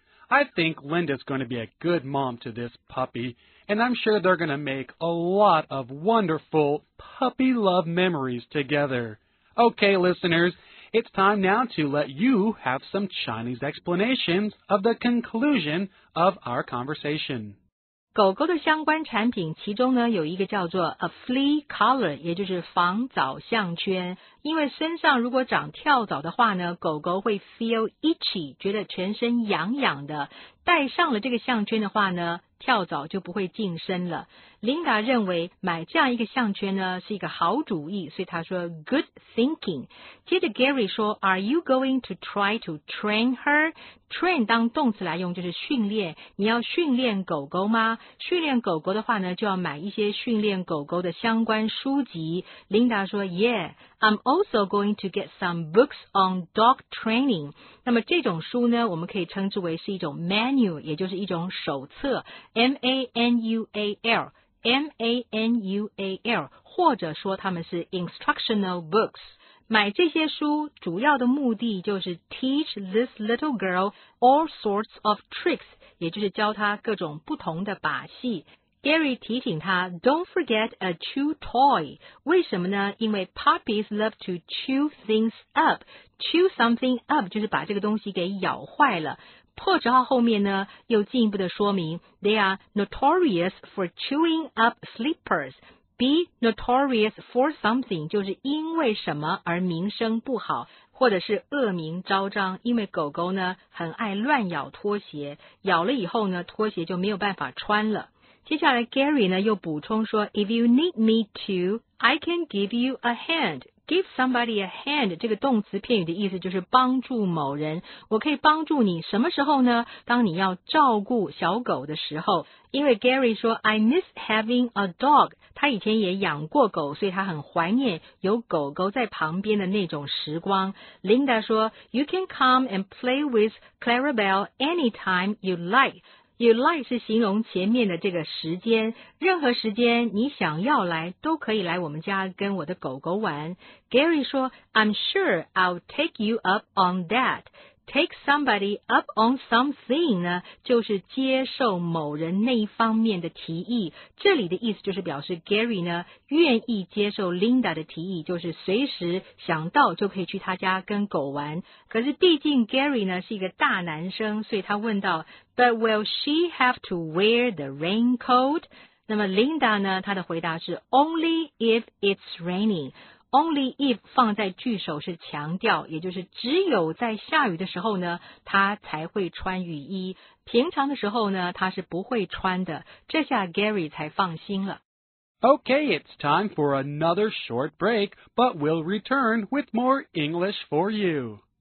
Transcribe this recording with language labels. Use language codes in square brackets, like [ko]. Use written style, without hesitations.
[en] I think Linda's going to be a good mom to this puppy, and I'm sure they're going to make a lot of wonderful puppy love memories together. Okay, listeners, it's time now to let you have some Chinese explanations of the conclusion of our conversation. [zh] 狗狗的相关产品其中呢有一个叫做 a flea collar， 也就是防蚤项圈。因为身上如果长跳蚤的话呢，狗狗会 [en] feel itchy， [zh] 觉得全身痒痒的。戴上了这个项圈的话呢，跳蚤就不会近身了。琳达认为买这样一个项圈呢是一个好主意，所以他说 [en] good thinking。 [zh] 接着 Gary 说 [en] are you going to try to train her？ [zh] train 当动词来用就是训练，你要训练狗狗吗？训练狗狗的话呢，就要买一些训练狗狗的相关书籍。琳达说 [en] yeah I'm also going to get some books on dog training。 [zh] 那么这种书呢，我们可以称之为是一种 manual， 也就是一种手册，M-A-N-U-A-L M-A-N-U-A-L， 或者说他们是 instructional books。买这些书主要的目的就是 [en] teach this little girl all sorts of tricks， [zh] 也就是教她各种不同的把戏。 [en] Gary [zh] 提醒她 [en] don't forget a chew toy。 [zh] 为什么呢？因为 [en] puppies love to chew things up。 [zh] chew something up 就是把这个东西给咬坏了。破折号后面呢又进一步的说明 [en] They are notorious for chewing up slippers. [zh] Be notorious for something 就是因为什么而名声不好，或者是恶名昭彰。因为狗狗呢很爱乱咬拖鞋，咬了以后呢拖鞋就没有办法穿了。接下来 Gary 呢又补充说 [en] If you need me to I can give you a handGive [zh] somebody a hand， 这个动词片语的意思就是帮助某人。我可以帮助你什么时候呢？当你要照顾小狗的时候。因为 Gary 说 [en] I miss having a dog， [zh] 他以前也养过狗，所以他很怀念有狗狗在旁边的那种时光。 [en] Linda 说 You can come and play with Clarabelle anytime you like。 [zh] You like 是形容前面的这个时间，任何时间你想要来都可以来我们家跟我的狗狗玩。 [en] Gary 说 I'm sure I'll take you up on that。 [zh] Take somebody up on something 呢就是接受某人那一方面的提议，这里的意思就是表示 Gary 呢愿意接受 Linda 的提议，就是随时想到就可以去他家跟狗玩。可是毕竟 Gary 呢是一个大男生，所以他问到 [en] But will she have to wear the raincoat? [zh] 那么 Linda 呢，她的回答是 [en] Only if it's raining. [zh] Only if 放在句首是强调，也就是只有在下雨的时候呢，她才会穿雨衣。平常的时候呢，她是不会穿的。这下 Gary 才放心了。 [en] Okay, it's time for another short break, but we'll return with more English for you.